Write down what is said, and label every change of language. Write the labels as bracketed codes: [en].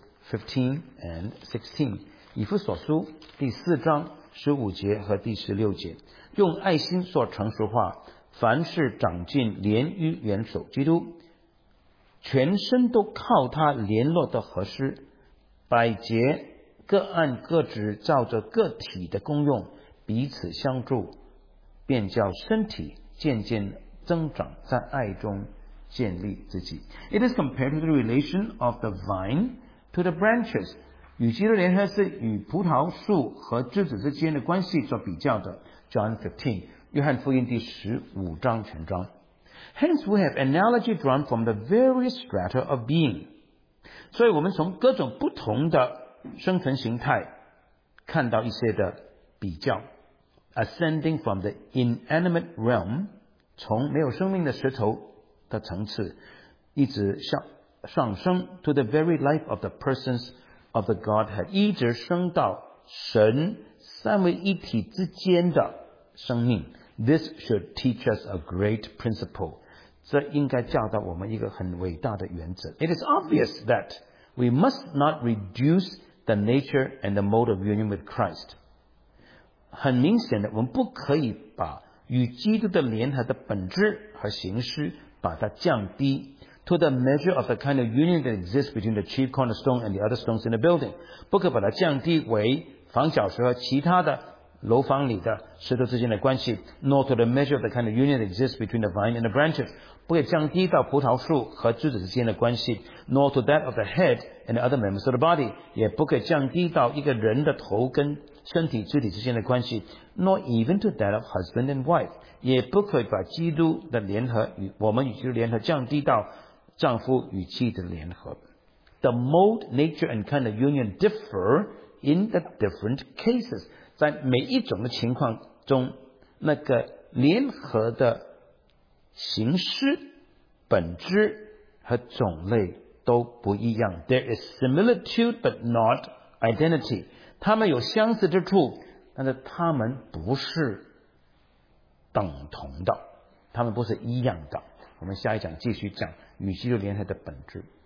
[zh] Ephesians 4:15-16， 以弗所书第四章十五节和第十六节，用爱心说诚实话，凡事长进，连于元首基督，全身都靠他联络的合适，百节各按各职照着个体的功用彼此相助，便叫身体渐渐增长，在爱中建立自己。 [en] It is compared to the relation of the vine to the branches， [zh] 与基督联合是与葡萄树和枝子之间的关系做比较的。 John 15， 约翰福音第十五章全章， [en] Hence, we have analogy drawn from the various strata of being. [zh] 所以我们从各种不同的生存形态看到一些的比较。 [en] Ascending from the inanimate realm, [zh] 从没有生命的石头的层次一直上升 [en] to the very life of the persons of the Godhead, [zh] 一直升到神三位一体之间的生命。 [en] This should teach us a great principle. [zh] 这应该教导我们一个很伟大的原则。 [en] It is obvious that we must not reduce the nature and the mode of union with Christ. [zh] 很明显的，我们不可以把与基督的联合的本质和形式把它降低。 [en] To the measure of the kind of union that exists between the chief cornerstone and the other stones in the building. [zh] 不可把它降低为房角石和其他的楼房里的石头之间的关系， [en] nor to the measure of the kind of union that exists between the vine and the branches, [zh] 不可以降低到葡萄树和枝子之间的关系， [en] nor to that of the head and the other members of the body, [zh] 也不可以降低到一个人的头跟身体肢体之间的关系， [en] nor even to that of husband and wife, [zh] 也不可以把基督的联合与我们与基督联合降低到丈夫与妻的联合。 [en] The mode, nature and kind of union differ in the different cases. [zh] 在每一种的情况中，那个联合的形式、本质和种类都不一样。 [en] There is similitude but not identity. [zh] 他们有相似之处，但是他们不是等同的，他们不是一样的。我们下一讲继续讲与基督联合的本质。